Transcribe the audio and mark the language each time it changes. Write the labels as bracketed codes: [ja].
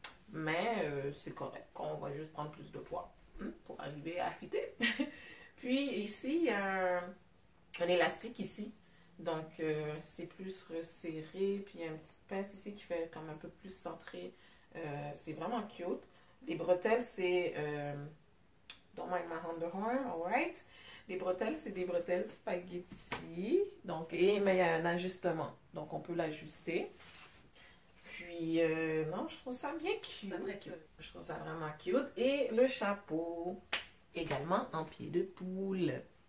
[fr] Mais c'est correct. On va juste prendre plus de poids pour arriver à fitter. Puis ici, il y a un élastique ici. Donc, c'est plus resserré. Puis il y a une petite pince ici qui fait comme un peu plus centré. C'est vraiment cute. Les bretelles, c'est. [en] Don't mind my underarm, alright? [fr] Les bretelles, c'est des bretelles spaghetti. Donc, mais il y a un ajustement. Donc, on peut l'ajuster. Puis, non, je trouve ça bien C'est très cute. cute. Je trouve ça vraiment cute. Et le chapeau. Également en pied de poule.